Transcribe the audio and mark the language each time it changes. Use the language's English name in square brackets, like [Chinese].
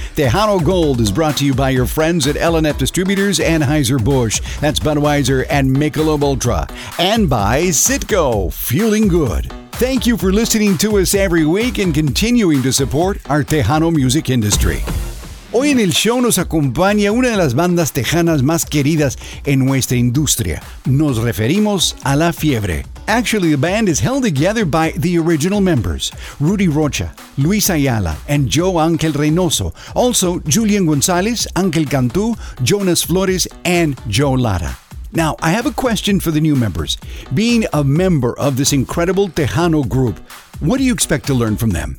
[English] Tejano Gold is brought to you by your friends at L&F Distributors, Anheuser-Busch, that's Budweiser and Michelob Ultra, and by Citgo, Fueling Good. Thank you for listening to us every week and continuing to support our Tejano music industry. [Spanish] Hoy en el show nos acompaña una de las bandas tejanas más queridas en nuestra industria. Nos referimos a La Fiebre. [English] Actually, the band is held together by the original members, Rudy Rocha, Luis Ayala, and Joe Angel Reynoso. Also, Julian Gonzalez, Angel Cantú, Jonas Flores, and Joe Lara. Now, I have a question for the new members. Being a member of this incredible Tejano group, what do you expect to learn from them?